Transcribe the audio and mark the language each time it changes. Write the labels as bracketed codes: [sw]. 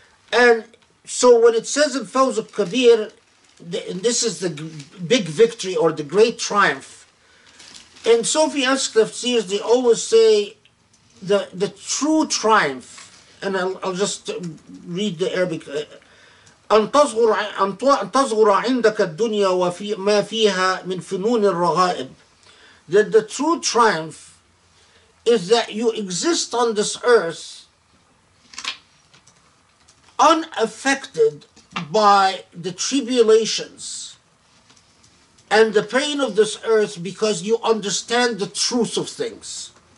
[en] And so when it says in Fawz al-Kabir, and this is the big victory or the great triumph, in Sufi-esque tafsirs, they always say the true triumph, and I'll just read the Arabic. [ar] أن تصغر عندك الدنيا وما فيها من فنون الرغائب. [en] That the true triumph is that you exist on this earth unaffected by the tribulations and the pain of this earth because you understand the truth of things.